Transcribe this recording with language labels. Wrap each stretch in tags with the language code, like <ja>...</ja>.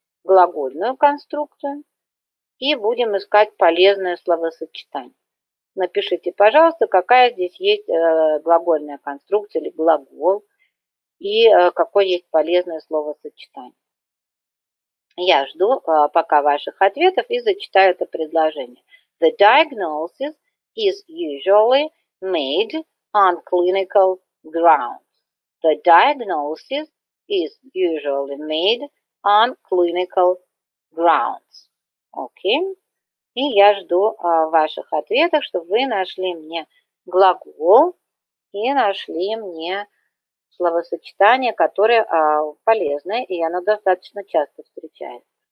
<ru>глагольную конструкцию и будем искать полезное словосочетание. Напишите, пожалуйста, какая здесь есть глагольная конструкция или глагол и какое есть полезное словосочетание. Я жду пока ваших ответов и зачитаю это предложение.</ru> <en>The diagnosis is usually made on clinical grounds. The diagnosis is usually made on clinical grounds.</en> <ru>Окей. И я жду ваших ответов, чтобы вы нашли мне глагол и нашли мне словосочетание, которое полезное, и оно достаточно часто встречается.</ru>